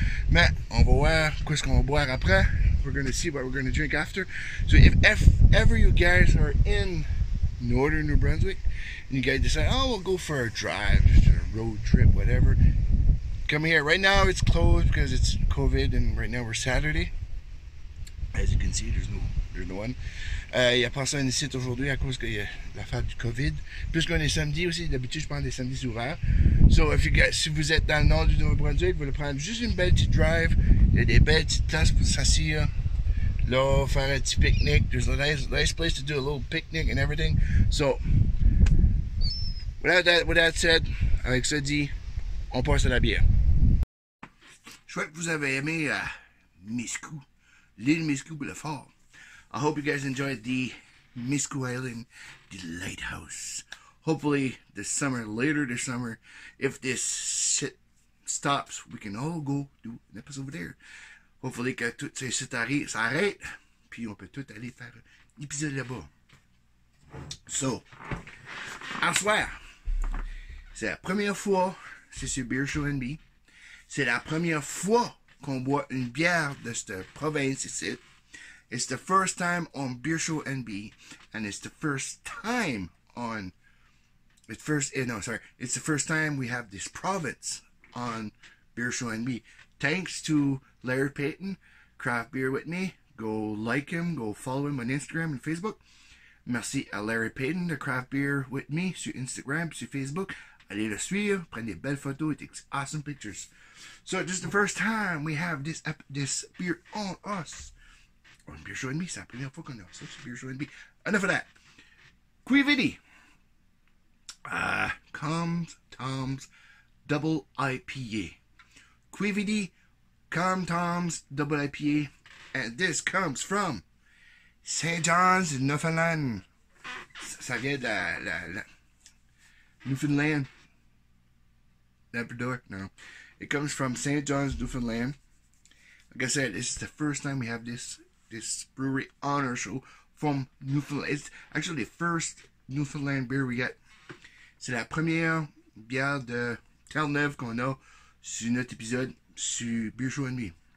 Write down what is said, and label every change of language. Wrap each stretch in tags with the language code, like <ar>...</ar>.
<fr>Mais on va voir qu'est-ce qu'on va boire après.</fr> <en>We're gonna see what we're gonna drink after. So, if ever you guys are in northern New Brunswick and you guys decide, oh, we'll go for a drive, just a road trip, whatever, come here. Right now it's closed because it's COVID and right now we're Saturday. As you can see, there's no one.</en> <fr>Il y a personne ici aujourd'hui à cause de l'affaire du COVID. Puisqu'on est samedi aussi, d'habitude je prends des samedis ouverts.</fr> <en>So if you guys,</en> <fr>si vous êtes dans le nord du Nouveau-Brunswick, vous voulez prendre juste une belle petite drive. Il y a des belles petites places pour s'asseoir. Là, faire un petit pique-nique.</fr> <en>There's a nice place to do a little picnic and everything. So, with that said,</en> <fr>avec ça dit, on passe à la bière. Je crois que vous avez aimé Miscou. L'île Miscou pour le fort.</fr> <en>I hope you guys enjoyed the Miscou Island, the lighthouse. Hopefully this summer, later this summer, if this shit stops, we can all go do an episode over there.</en> <fr>Hopefully que tout ces shit s'arrête, puis on peut tout aller faire un épisode là-bas. So, à soir, c'est la première fois, c'est sur Beer Show NB, c'est la première fois qu'on boit une bière de cette province ici.</fr> <en>It's the first time on Beer Show NB, and it's the first time we have this province on Beer Show NB. Thanks to Larry Payton, Craft Beer with me. Go like him, go follow him on Instagram and Facebook.</en> <fr>Merci à Larry Payton de Craft Beer with me sur Instagram, sur Facebook. Allez le suivre, prenez des belles photos,</fr> <en>it takes awesome pictures. So this is the first time we have this beer on us.</en> <fr>On Beer Show NB, c'est la première fois qu'on a ça sur Beer Show NB.</fr> <en>Enough of that. Quidi Vidi. Comes Tom's Double IPA. Quidi Vidi, Comes Tom's Double IPA. And this comes from St. John's, Newfoundland.</en> <fr>Ça vient de la Newfoundland.</fr> <en>Labrador? No. It comes from St. John's, Newfoundland. Like I said, this is the first time we have this brewery on our show from Newfoundland. It's actually the first Newfoundland beer we get.</en> <fr>C'est la première bière de Terre-Neuve qu'on a sur notre épisode sur Beer Show NB.</fr>